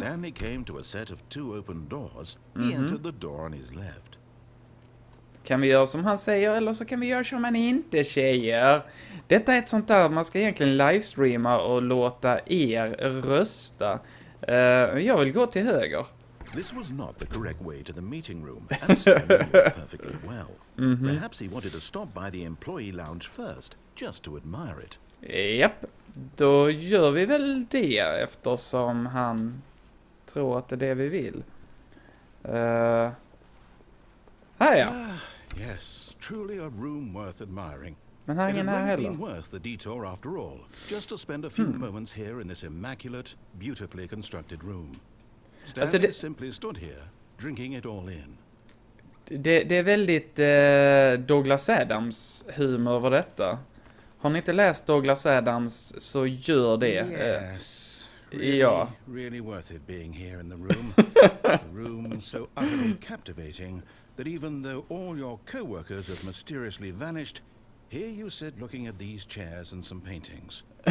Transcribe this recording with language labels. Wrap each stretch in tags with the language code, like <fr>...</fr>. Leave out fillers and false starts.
<en>Stanley came to a set of two open doors. He entered the door on his left.</en> <sv>Kan vi göra som han säger, eller så kan vi göra som han inte säger. Detta är ett sånt där man ska egentligen livestreama och låta er rösta. Jag vill gå till höger.</sv> <en>This was not the correct way to the meeting room, and Stanley knew perfectly well. Perhaps he wanted to stop by the employee lounge first, just to admire it.</en> <sv>Japp, då gör vi väl det eftersom han tror att det är det vi vill. Här ja.</sv> <en>Yes, truly a room worth admiring.</en> <sv>Men här är ingen här heller.</sv> <en>It would have been worth the detour after all, just to spend a few moments here in this immaculate, beautifully constructed room. Stanley</en> <sv>alltså det...</sv> <en>simply stood here, drinking it all in.</en> <sv>Det är väldigt Douglas Adams humor över detta. Har ni inte läst Douglas Adams så gör det.</sv> <en>Yes. Really,</en> <sv>ja.</sv> <en>Really worth it being here in the room. A room so utterly captivating that even though all your co-workers have mysteriously vanished, here you sit looking at these chairs and some paintings.</en>